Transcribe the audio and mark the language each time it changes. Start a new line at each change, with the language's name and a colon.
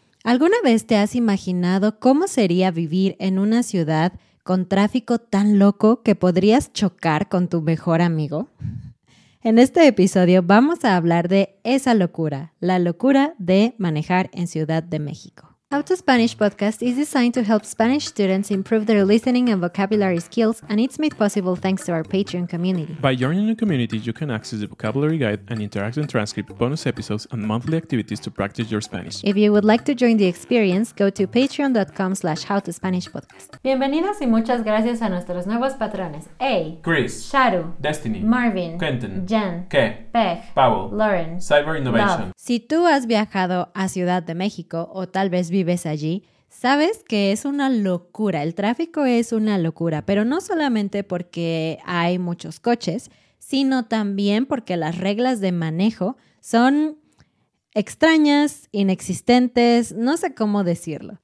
Spanish: ¿Alguna vez te has imaginado cómo sería vivir en una ciudad con tráfico tan loco que podrías chocar con tu mejor amigo? En este episodio vamos a hablar de esa locura, la locura de manejar en Ciudad de México.
English: How to Spanish Podcast is designed to help Spanish students improve their listening and vocabulary skills, and it's made possible thanks to our Patreon community. By joining the community, you can access the vocabulary guide, an interactive transcript, bonus episodes, and monthly activities to practice your Spanish. If you would like to join the experience, go to patreon.com/howtospanishpodcast.
Spanish: Bienvenidos y muchas gracias a nuestros nuevos patrones. A. Chris. Sharu. Destiny. Marvin. Quentin. Jen. Ke. Peg. Powell. Lauren. Cyber Innovation. Love. Si tú has viajado a Ciudad de México, o tal vez vives allí, sabes que es una locura. El tráfico es una locura, pero no solamente porque hay muchos coches, sino también porque las reglas de manejo son extrañas, inexistentes, no sé cómo decirlo.